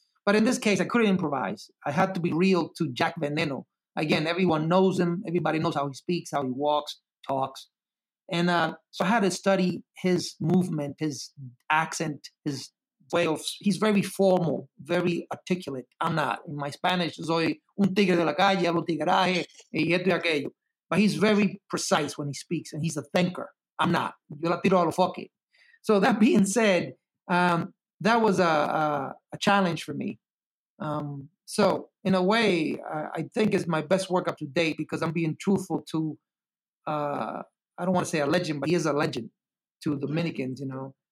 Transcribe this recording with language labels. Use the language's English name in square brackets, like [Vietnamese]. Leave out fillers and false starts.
[English] But in this case, I couldn't improvise. I had to be real to Jack Veneno. Again, everyone knows him. Everybody knows how he speaks, how he walks, talks. And so I had to study his movement, his accent, his way of... He's very formal, very articulate. I'm not. In my Spanish, [Spanish] soy un tigre de la calle, hablo tigreaje, y esto y aquello. [English] But he's very precise when he speaks, and he's a thinker. I'm not. [Spanish] Yo la tiro a lo foque. [English] So that being said... that was a challenge for me. So in a way, I think it's my best work up to date because I'm being truthful to, I don't want to say a legend, but he is a legend to Dominicans, you know.